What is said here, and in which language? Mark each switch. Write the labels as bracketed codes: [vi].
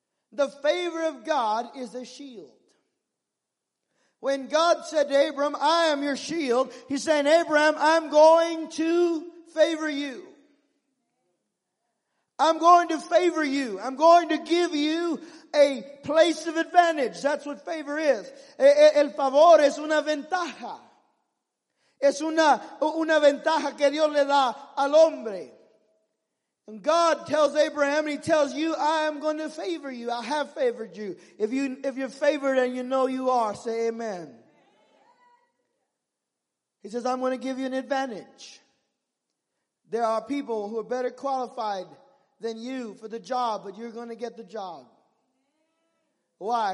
[en] The favor of God is a shield. When God said to Abram, I am your shield, he's saying, Abram, I'm going to favor you. I'm going to favor you. I'm going to give you a place of advantage. That's what favor is. [es] El favor es una ventaja. Es una ventaja que Dios le da al hombre. [en] And God tells Abraham, and he tells you, I am going to favor you. I have favored you. If you're favored and you know you are, say amen. He says, I'm going to give you an advantage. There are people who are better qualified than you for the job, but you're going to get the job. Why?